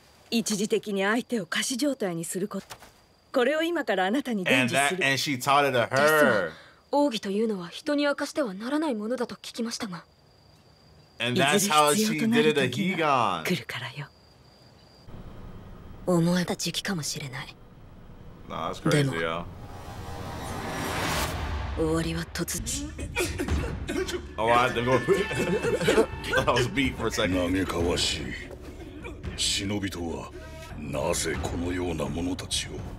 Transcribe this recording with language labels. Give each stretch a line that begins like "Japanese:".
Japanese: 一時的に相手を貸し状態にすること。これを今からあなたに伝授する.
English: And she taught it to her.
Japanese: 奥義というのは人に明かしてはならないものだと聞きましたが.
English: And that's how she did it to Higan.
Japanese: 来るからよ. 思えた時期かもしれない。
English: No, that's crazy, でも、yo.
Japanese: 終わりは突
English: 然。Oh, I didn't go. That was beat for a second.
Japanese: 嘆かわしい。忍びとはなぜこのような者たちを。